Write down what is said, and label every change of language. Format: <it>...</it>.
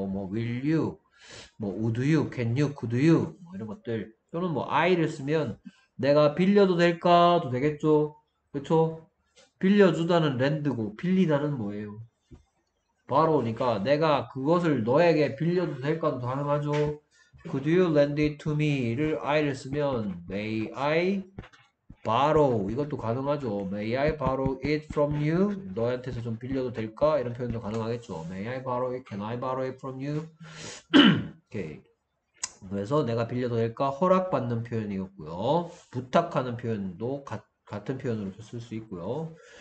<en>뭐 will you? 뭐 would you? can you? could you?</en> <ko>뭐 이런 것들. 또는 뭐 I를 쓰면 내가 빌려도 될까도 되겠죠. 그렇죠? 빌려주다는 lend고 빌리다는 뭐예요? 바로 오니까 내가 그것을 너에게 빌려도 될까도 가능하죠.</ko> <en>Could you lend it to me?를 I를</en> <ko>쓰면</ko> <en>May I borrow?</en> <ko>이것도 가능하죠.</ko> <en>May I borrow it from you?</en> <ko>너한테서 좀 빌려도 될까? 이런 표현도 가능하겠죠.</ko> <en>May I borrow it? Can I borrow it from you? 오케이.</en> <ko>그래서 내가 빌려도 될까? 허락받는 표현이었고요. 부탁하는 표현도 같은 표현으로 쓸수 있고요.</ko>